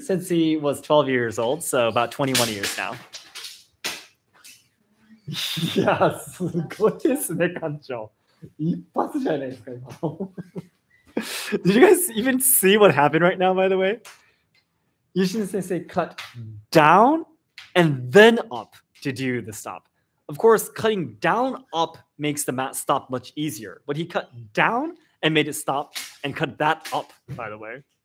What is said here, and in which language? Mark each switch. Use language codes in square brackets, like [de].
[en] Since he was 12 years old, so about 21 years now. [ja] いや、すごいですね、館長。一発じゃないですか、今。 [en] Did you guys even see what happened right now, by the way? Yushin Sensei cut down and then up to do the stop. Of course, cutting down up makes the mat stop much easier, but he cut down and made it stop and cut that up, by the way.